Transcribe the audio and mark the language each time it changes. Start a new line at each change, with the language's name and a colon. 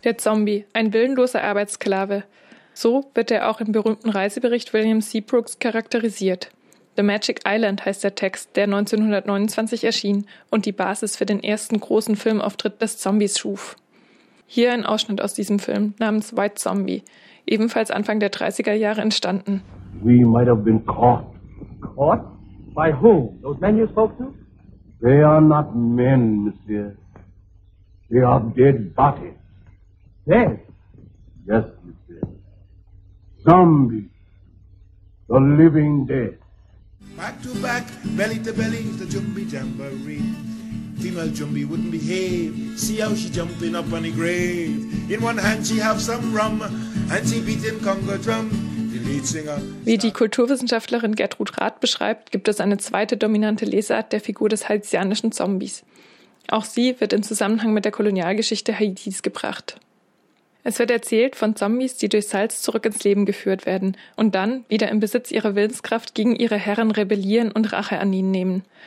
German: Der Zombie, ein willenloser Arbeitssklave. So wird er auch im berühmten Reisebericht William Seabrooks charakterisiert. The Magic Island heißt der Text, der 1929 erschien und die Basis für den ersten großen Filmauftritt des Zombies schuf. Hier ein Ausschnitt aus diesem Film namens White Zombie, ebenfalls Anfang der 30er Jahre entstanden.
English: We might have been caught. Caught? By whom? Those men you spoke to? They are not men, monsieur. They are dead bodies. Dead? Yes, monsieur. Zombies. The living dead. Back to back, belly to belly, is the Jumbi Jamboree. Female Jumbie wouldn't behave. See how she jumping up on the grave. In one hand she have some rum and she beating conga drum. The lead singer.
German: Wie die Kulturwissenschaftlerin Gertrud Rath beschreibt, gibt es eine zweite dominante Lesart der Figur des haitianischen Zombies. Auch sie wird in Zusammenhang mit der Kolonialgeschichte Haitis gebracht. Es wird erzählt von Zombies, die durch Salz zurück ins Leben geführt werden und dann, wieder im Besitz ihrer Willenskraft, gegen ihre Herren rebellieren und Rache an ihnen nehmen.